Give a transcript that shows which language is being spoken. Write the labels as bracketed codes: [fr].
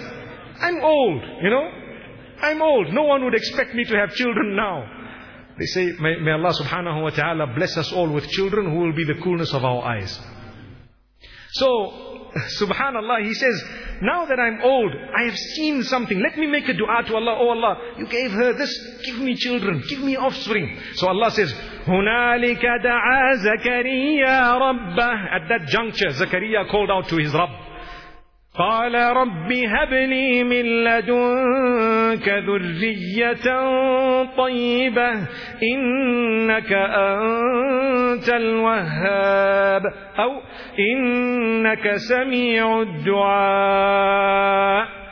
[en] I'm old, you know? I'm old. No one would expect me to have children now. They say, may Allah subhanahu wa ta'ala bless us all with children who will be the coolness of our eyes. So, subhanallah, he says, Now that I'm old, I have seen something. Let me make a dua to Allah. Oh Allah, you gave her this. Give me children. Give me offspring. So Allah says, [ar] هُنَالِكَ دَعَى زَكَرِيَّا رَبَّهُ. [en] At that juncture, Zakaria called out to his Rabb. [ar] قَالَ رَبِّ هَبْنِي مِنْ لَدُنْكَ ذُرِّيَّةً طَيِّبَةً إِنَّكَ أَنْتَ الْوَهَّابِ أو إِنَّكَ سَمِيعُ الدُّعَاءِ.